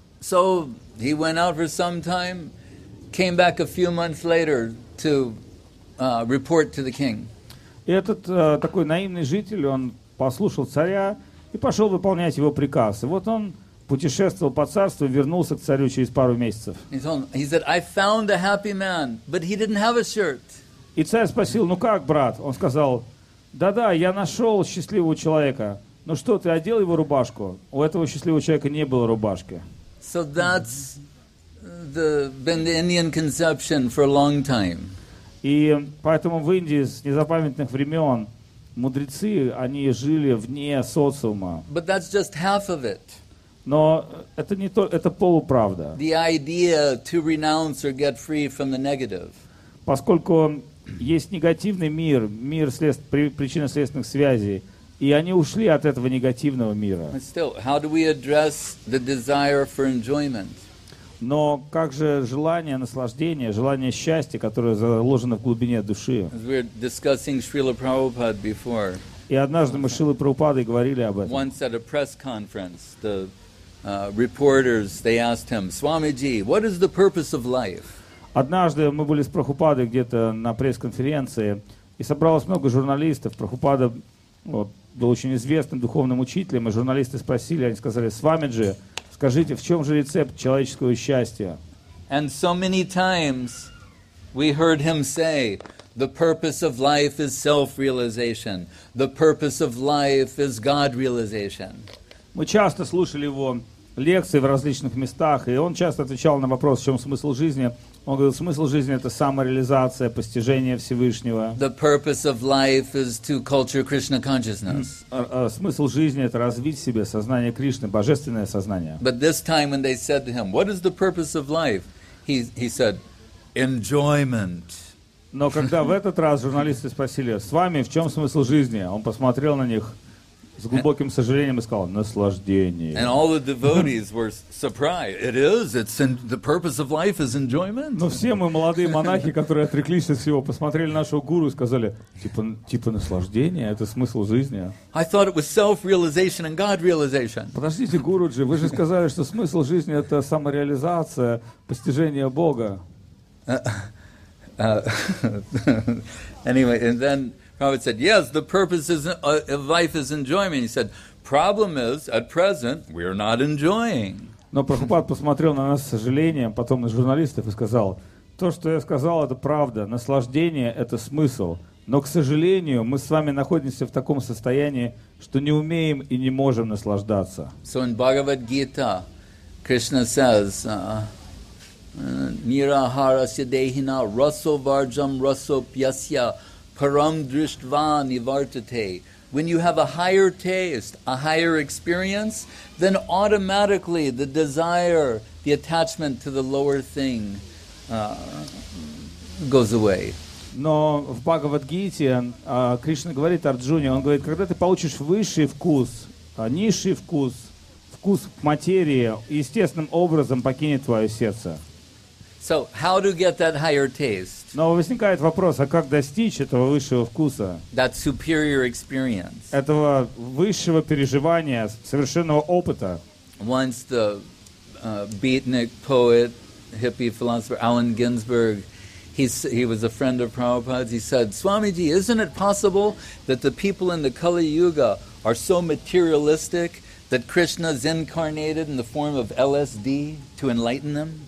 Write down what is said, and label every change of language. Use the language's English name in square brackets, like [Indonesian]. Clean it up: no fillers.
[English] So he went out for some time, came back a few months later to report to the king. [Russian] И этот такой наивный житель, он послушал царя и пошел выполнять его приказ. И вот он путешествовал по царству и вернулся к царю через пару месяцев. [English] He said, I found a happy man, but he didn't have a shirt. [Russian] И царь спросил: Ну как, брат? Он сказал: Да-да, я нашел счастливого человека. Ну что, ты одел его рубашку? У этого счастливого человека не было рубашки. [English] So that's been the Indian conception for a long time. [Russian] И поэтому в Индии с незапамятных времен мудрецы, они жили вне социума. [English] But that's just half of it. [Russian] Но это не то, это полуправда. [English] The idea to renounce or get free from the negative. [Russian] Поскольку есть негативный мир, мир причинно-следственных связей, и они ушли от этого негативного мира. [English] Still, how do we address the desire for enjoyment? [Russian] Но как же желание наслаждения, желание счастья, которое заложено в глубине души? [English] As we were discussing Srila Prabhupada before. [Russian] И однажды мы с Шрилой Прабхупадой говорили об этом. [English] Once at a press conference, the reporters, they asked him, Swamiji, what is the purpose of life? [Russian] Однажды мы были с Прабхупадой где-то на пресс-конференции, и собралось много журналистов. Прабхупада был очень известным духовным учителем, и журналисты спросили, они сказали: «Свамиджи, скажите, в чем же рецепт человеческого счастья?» [English] And so many times we heard him say, the purpose of life is self-realization. The purpose of life is God-realization. [Russian] Мы часто слушали его лекции в различных местах, и он часто отвечал на вопрос, в чем смысл жизни. Он говорил, смысл жизни — это самореализация, постижение Всевышнего. [English] The purpose of life is to culture Krishna consciousness. [Russian] Смысл жизни — это развить в себе сознание Кришны, божественное сознание. [English] But this time when they said to him, what is the purpose of life? He said, enjoyment. [Russian] Но когда в этот раз журналисты спросили: с вами в чем смысл жизни? Он посмотрел на них с глубоким сожалением и сказал: наслаждение. [English] And all the devotees were surprised. It is. The purpose of life is enjoyment. [Russian] Но все мы молодые монахи, которые отреклись от всего, посмотрели нашего гуру и сказали: типа наслаждение — это смысл жизни. [English] I thought it was self-realization and God-realization. [Russian] Подождите, гуруджи, вы же сказали, что смысл жизни — это самореализация, постижение Бога. [English] anyway, and then Prabhupada said, yes, the purpose of life is enjoyment. He said, problem is, at present, we are not enjoying. [Russian] Но Прабхупад посмотрел на нас с сожалением, потом на журналистов, и сказал, то, что я сказал, это правда, наслаждение – это смысл. Но, к сожалению, мы с вами находимся в таком состоянии, что не умеем и не можем наслаждаться. [English] So in Bhagavad Gita, Krishna says, [Sanskrit] Nirahara dehina raso varjam raso pyasya param drishtva nivartate. [English] When you have a higher taste, a higher experience, then automatically the desire, the attachment to the lower thing goes away. [Russian] Но в Бхагавад-гите Кришна говорит Арджуне, он говорит, когда ты получишь высший вкус, низший вкус, вкус материи, естественным образом покинет твое сердце. [English] So how to get that higher taste? [Russian] Но возникает вопрос, а как достичь этого высшего вкуса? [English] That superior experience. [Russian] Этого высшего переживания, совершенного опыта. [English] Once the beatnik poet, hippie philosopher Allen Ginsberg, he was a friend of Prabhupada's, he said, Swamiji, isn't it possible that the people in the Kali Yuga are so materialistic that Krishna's incarnated in the form of LSD to enlighten them?